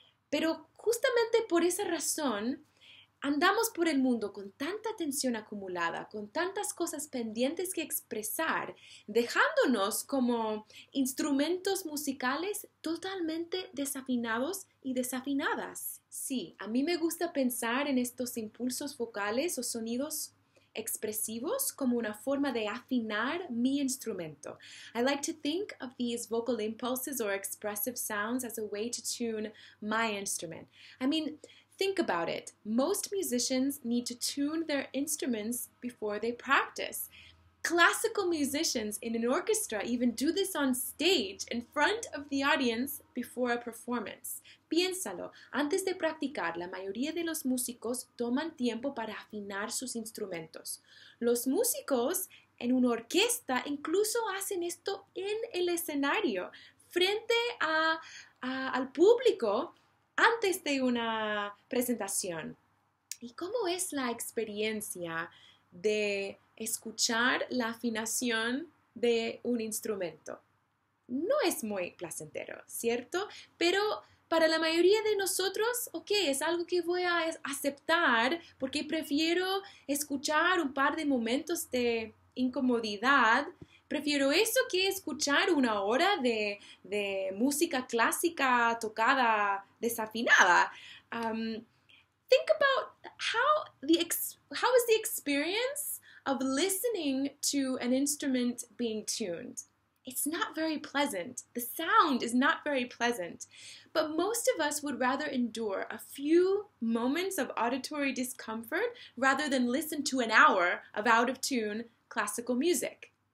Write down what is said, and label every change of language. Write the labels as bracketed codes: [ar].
[es] Pero justamente por esa razón, andamos por el mundo con tanta tensión acumulada, con tantas cosas pendientes que expresar, dejándonos como instrumentos musicales totalmente desafinados y desafinadas. Sí, a mí me gusta pensar en estos impulsos vocales o sonidos expresivos como una forma de afinar mi instrumento. [en] I like to think of these vocal impulses or expressive sounds as a way to tune my instrument. I mean, think about it. Most musicians need to tune their instruments before they practice. Classical musicians in an orchestra even do this on stage in front of the audience before a performance. [es] Piénsalo. Antes de practicar, la mayoría de los músicos toman tiempo para afinar sus instrumentos. Los músicos en una orquesta incluso hacen esto en el escenario, frente al público, antes de una presentación. ¿Y cómo es la experiencia de escuchar la afinación de un instrumento? No es muy placentero, ¿cierto? Pero para la mayoría de nosotros, ok, es algo que voy a aceptar porque prefiero escuchar un par de momentos de incomodidad. Prefiero eso que escuchar una hora de música clásica tocada desafinada. [en] Think about how is the experience of listening to an instrument being tuned. It's not very pleasant. The sound is not very pleasant. But most of us would rather endure a few moments of auditory discomfort rather than listen to an hour of out-of-tune classical music.